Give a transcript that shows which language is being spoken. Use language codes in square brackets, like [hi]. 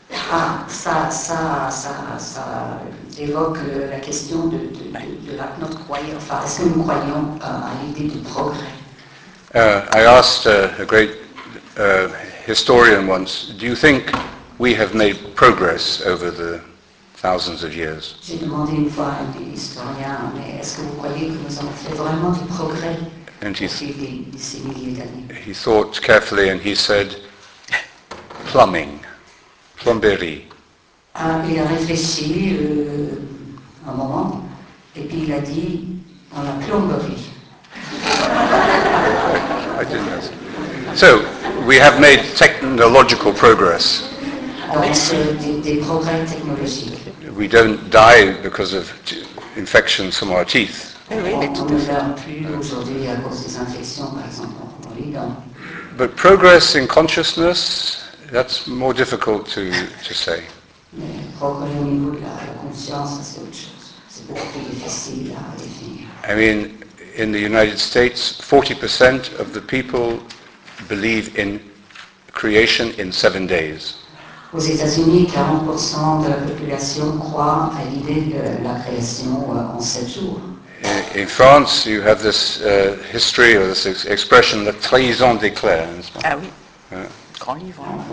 [fr] Ah, ça évoque la question de notre croyance, enfin, est-ce que nous croyons à l'idée du progrès? [en] I asked a great historian once, do you think we have made progress over the thousands of years? [fr] J'ai demandé une fois à un historien, mais est-ce que vous croyez que nous avons fait vraiment du progrès depuis ces milliers d'années? [en] He thought carefully and he said, plumbing. Plomberie. [fr] Ah, il a réfléchi un moment, et puis il a dit, on a plomberie. [en] I didn't know. So, we have made technological progress. [fr] Donc, des progrès technologiques. [en] We don't die because of infections from our teeth. [fr] On ne meurt plus aujourd'hui à cause des infections, par exemple, dans les dents. [en] But progress in consciousness... that's more difficult to say. I mean, in the United States, 40% of the people believe in creation in 7 days. [fr] Aux États-Unis, 40% de la population croit à l'idée de la création en 7 jours. [en] in France, you have this history or this expression, [fr] la trahison des clercs. Ah oui. Grand livre.